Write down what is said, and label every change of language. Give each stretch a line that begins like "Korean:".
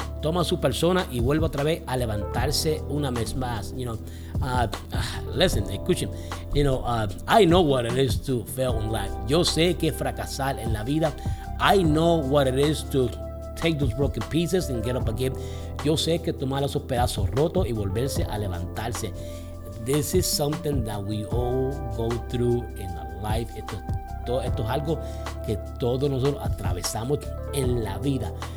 Spanish: Toma su persona y vuelva otra vez a levantarse una vez más.
English: You know, listen, escuchen. You know, I know what it is to fail in life. Yo sé que fracasar en la vida. I know what it is to take those broken pieces and get up again.
Spanish: Yo sé que tomar esos pedazos rotos y volverse a levantarse.
English: This is something that we all go through in our life.
Spanish: Esto es algo que todos nosotros atravesamos en la vida.